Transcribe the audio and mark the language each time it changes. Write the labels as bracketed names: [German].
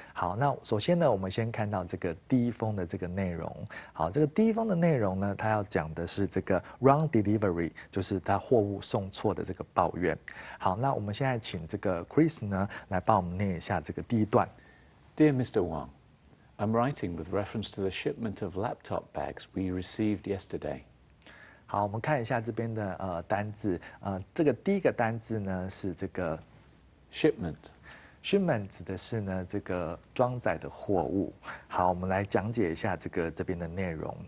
[Chinese] 好，那首先呢我们先看到这个第一封的这个内容。好，这个第一封的内容呢，它要讲的是这个 non delivery， 就是它货物送错的这个抱怨。好，那我们现在请这个 Chris 呢来帮我们念一下这个第一段。 [English] Dear Mr. WongI'm writing with reference to the shipment of laptop bags we received yesterday. [Chinese] 好，我们看一下这边的单字。这个第一个单字呢是这个 [English] shipment。 [Chinese] Shipment 指的是呢这个装载的货物。好，我们来讲解一下这边的内容。